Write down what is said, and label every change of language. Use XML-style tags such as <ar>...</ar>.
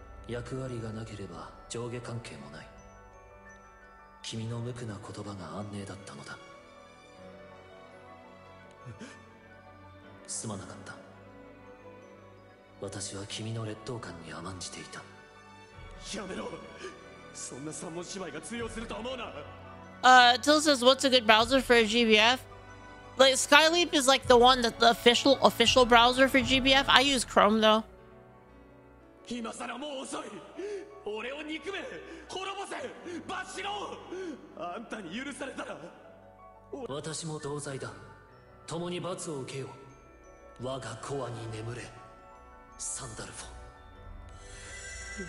<ja>役割がなければ上下関係もない。君の無垢な言葉が安寧だったのだ。すまなかった。私は君の劣等感に甘んじていた。やめろ。そんな三文芝居が通用すると思うな。</ja> <en>Till says, what's a good browser for a GBF? Like, Skyleap is like the one that the official browser for GBF. I use Chrome though.</en> <ja>今さらもう遅い。俺を憎め、滅ぼせ、罰しろ。あんたに許されたら、私も同罪だ。共に罰を受けよう。我がコアに眠れ、サンダルフォン。</ja>